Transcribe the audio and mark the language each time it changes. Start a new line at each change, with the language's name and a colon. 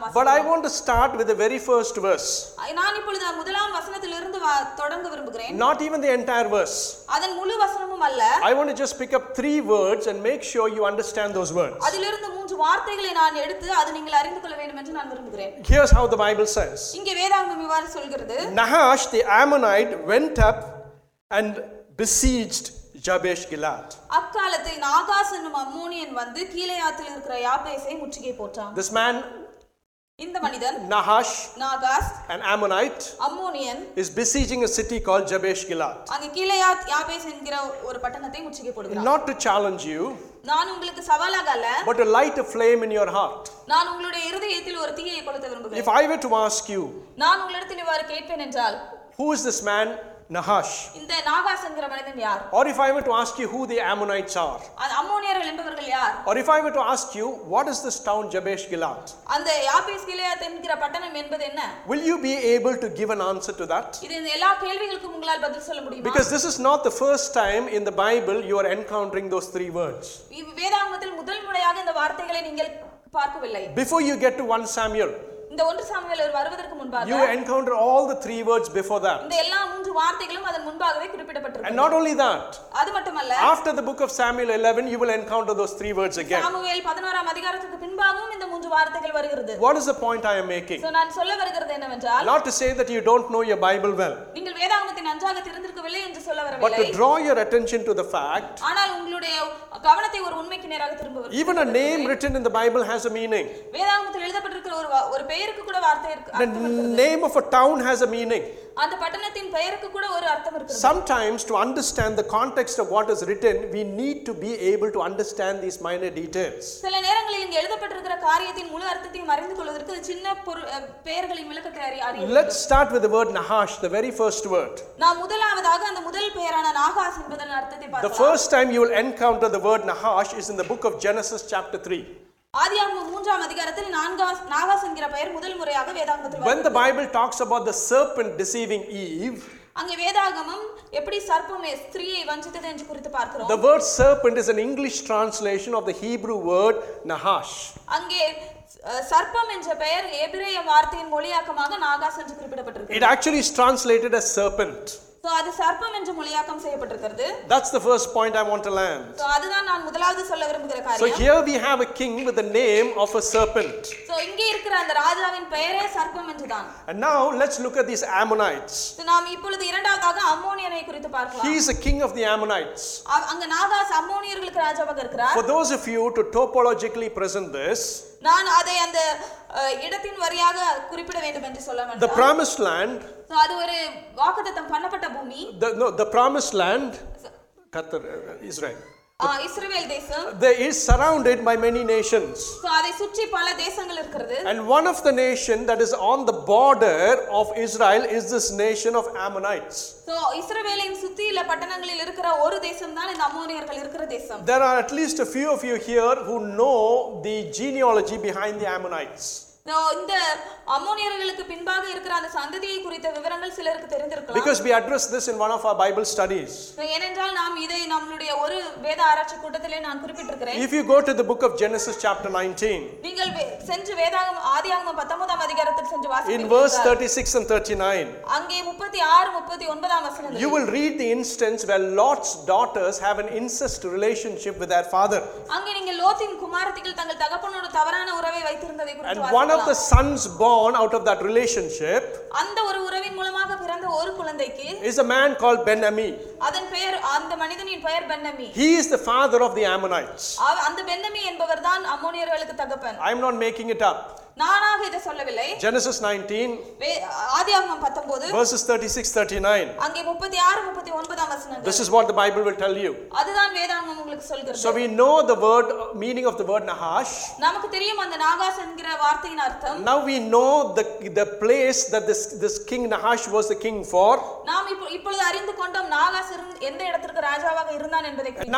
Tamil: வாசிக்கிறோம்.
English: But I want to start with the very first verse.
Tamil: நான் இப்பொழுது முதலாம் வசனத்திலிருந்து தொடங்க விரும்புகிறேன்.
English: Not even the entire verse.
Tamil: அதன் முழு வசனமும் அல்ல.
English: I want to just pick up 3 words and make sure you understand those words.
Tamil: அதிலிருந்து 3 வார்த்தைகளை நான் எடுத்து அது நீங்கள் அறிந்து கொள்ள வேண்டும் என்று நான் விரும்புகிறேன்.
English: Here's how the Bible says.
Tamil: இங்கே வேதாகமம் இவ்வாறு சொல்கிறது.
English: Nahash the Ammonite went up and besieged Jabesh Gilead.
Tamil: அக்காலத்தில் நாகாஸ் என்னும் அம்மோனியன் வந்து கீலேயாத்தில் இருக்கிற யாபேசை முற்றுகை போட்டான்.
English: This man,
Tamil: இந்த மனிதன், நாகாஷ், நாகாஸ்,
English: an Ammonite,
Tamil: அம்மோனியன்,
English: is besieging a city called Jabesh Gilead.
Tamil: அங்க கீலேயாத் யாபேஸ் என்கிற ஒரு பட்டணத்தை முற்றுகை போடுகிறான்.
English: Not to challenge you.
Tamil: நான் உங்களுக்கு சவாலாக அல்ல.
English: But to light a flame in your heart.
Tamil: நான் உங்களுடைய இதயத்தில் ஒரு தீயை கொளுத்த விரும்புகிறேன்.
English: If I were to ask you,
Tamil: நான் உங்களிடத்தில் இவ்வாறு கேட்பேன் என்றால்,
English: who is this man? Nahash.
Tamil: இந்த நாகாஸ் என்கிற மனிதன் யார்?
English: Or if I were to ask you who the Ammonites are?
Tamil: அம்மோனியர்கள் என்பவர்கள் யார்?
English: Or if I were to ask you what is this town Jabesh Gilead?
Tamil: அந்த யாபேஸ் கிலேயாத் என்கிற பட்டணம் என்பது என்ன?
English: Will you be able to give an answer to that?
Tamil: இது எல்லா கேள்விகளுக்கும் உங்களால் பதில் சொல்ல முடியுமா?
English: Because this is not the first time in the Bible you are encountering those three words.
Tamil: வேதாகமத்தில் முதல் முறையாக இந்த வார்த்தைகளை நீங்கள் பார்க்கவில்லை.
English: Before you get to 1 Samuel
Tamil: இந்த 1 சாமுவேல் வருவதற்கு முன்பாக
English: you encounter all the three words before that
Tamil: இந்த எல்லா மூன்று வார்த்தைகளும் அதன் முன்பாகவே குறிப்பிடப்பட்டிருக்கும்
English: and not only that
Tamil: அது மட்டுமல்ல
English: after the book of Samuel 11 you will encounter those three words again
Tamil: Samuel 11 ஆம் அதிகாரத்துக்கு பின்பாகவும் இந்த மூன்று வார்த்தைகள் வருகிறது
English: what is the point I am making
Tamil: so நான் சொல்ல வருகிறது என்னவென்றால்
English: not to say that you don't know your bible well
Tamil: நீங்கள் வேதாகமத்தை நன்றாக தெரிந்திருக்கவில்லை என்று சொல்ல வரவில்லை
English: but to draw your attention to the fact
Tamil: ஆனால் உங்களுடைய கவனத்தை ஒரு உண்மைக்கு நேராக திரும்ப வருகிறது
English: even a name written in the bible has a meaning
Tamil: வேதாகமத்தில் எழுதப்பட்டிருக்கிற ஒரு பெயருக்கு கூட வார்த்தை இருக்கு
English: the name of a town has a meaning
Tamil: அந்த பட்டணத்தின் பெயருக்கு கூட ஒரு அர்த்தம் இருக்கு
English: sometimes to understand the context of what is written we need to be able to understand these minor details
Tamil: சில நேரங்களில் இங்கே எழுதப்பட்டிருக்கிற காரியத்தின் முழு அர்த்தத்தையும் அறிந்து கொள்வதற்கு சின்ன பெயர்களின் விளக்கக்காரி அறிய
English: let's start with the word nahash the very first word
Tamil: நான் முதலாவதாக அந்த முதல் பெயரான நாகாஸ் என்பதன் அர்த்தத்தை பார்க்கலாம்
English: the first time you will encounter the word nahash is in the book of genesis chapter 3
Tamil: ஆதியாகமம் 3 ஆம் அதிகாரத்தில் நாகாஸ் என்கிற பெயர் முதல் முறையாக வேதாகமத்தில்
English: When the Bible talks about the serpent deceiving Eve
Tamil: அங்கே வேதாகமம் எப்படி சர்ப்பமே ஸ்திரியை வஞ்சித்தது என்று குறித்து பார்க்கிறோம்
English: The word serpent is an English translation of the Hebrew word Nahash
Tamil: அங்கே சர்ப்பம் என்ற பெயர் எபிரேய வார்த்தையின் மொழியாக்கமாக நாகாஸ் என்று குறிப்பிடப்பட்டிருக்கிறது
English: It actually is translated as serpent
Tamil: so அது சர்ப்பம் என்று மொழியாக்கம் செய்யப்பட்டிருக்கிறது
English: That's the first point I want to land.
Tamil: So அதுதான் நான் முதலாவது சொல்ல விரும்புகிற காரியம்.
English: So here we have a king with the name of a serpent.
Tamil: So இங்கே இருக்கிற அந்த ராஜாவின் பெயரே சர்ப்பம் என்றுதான்.
English: And now let's look at these Ammonites.
Tamil: So நாம் இப்பொழுது இரண்டாவதாக அம்மோனியனை குறித்து பார்க்கலாம்.
English: He is a king of the Ammonites.
Tamil: அங்க நாகாஸ் அம்மோனியர்களுக்கு ராஜாவாக இருக்கிறார்.
English: For those of you to topologically present this
Tamil: நான் அதை அந்த இடத்தின் வரியாக குறிப்பிட வேண்டும் என்று சொல்ல வேண்டும்.
English: The promised land
Tamil: சோ அது ஒரு வாக்குத்தத்தம் பண்ணப்பட்ட பூமி
English: the promised land கத்தர் Israel
Tamil: இஸ்ரேல் தேசம்
English: there is surrounded by many nations
Tamil: so அதை சுற்றி பல தேசங்கள் இருக்குது
English: and one of the nation that is on the border of Israel is this nation of Ammonites
Tamil: so இஸ்ரேலின் சுத்தியில பட்டணங்களில் இருக்கிற ஒரு தேசம் தான் இந்த அம்மோனியர்கள் இருக்கிற தேசம்
English: there are at least a few of you here who know the genealogy behind the Ammonites
Tamil: no இந்த அம்மோனியர்களுக்கு பின்பாக இருக்கிற அந்த சந்ததியை குறித்த விவரங்கள் சிலருக்கு தெரிந்திருக்கலாம்
English: because we address this in one of our bible studies
Tamil: ஏனென்றால் நாம் இதை நம்மளுடைய ஒரு வேத ஆராய்ச்சி கூட்டத்திலே நான் குறிப்பிட்டிருக்கிறேன்
English: if you go to the book of genesis chapter 19
Tamil: நீங்கள் சென்று வேதாகமம் ஆதியாகமம் 19 ஆம் அதிகாரத்தில் சென்று வாசிப்பீர்கள்
English: in verse 36 and 39
Tamil: அங்கே 36 39 ஆம் வசனங்களில்
English: you will read the instance where lot's daughters have an incest relationship with their father
Tamil: அங்கே நீங்கள் லோத்தின் குமாரத்திகள் தங்கள் தகப்பனோடு தவறான உறவை வைத்திருந்ததை குறித்து வாசிப்பீர்கள்
English: of the sons born out of that relationship
Tamil: அந்த ஒரு உறவின் மூலமாக பிறந்த ஒரு குழந்தைக்கு
English: is a man called Benami
Tamil: அதன் பெயர் அந்த மனிதனின் பெயர் Benami
English: he is the father of the Ammonites
Tamil: அந்த Benami என்பவர்தான் அம்மோனியர்களுக்கு தகப்பன்
English: I am not making it up
Tamil: நானாக இதை சொல்லவில்லை
English: Genesis 19
Tamil: ஆதியாகமம் 19
English: verses 36 39
Tamil: அங்கே 36 39 ஆம் வசனங்கள்
English: this is what the bible will tell you
Tamil: அதுதான் வேதாகமம் உங்களுக்கு சொல்கிறது
English: so we know the word meaning of the word nahash
Tamil: நமக்கு தெரியும் அந்த நாகாஸ் என்கிற வார்த்தையின் அர்த்தம்
English: now we know the place that this king nahash was the king for
Tamil: நாம் இப்பொழுது அறிந்து கொண்டோம் நாகாஸ் எந்த இடத்துக்கு ராஜாவாக இருந்தான் என்பதை குறித்து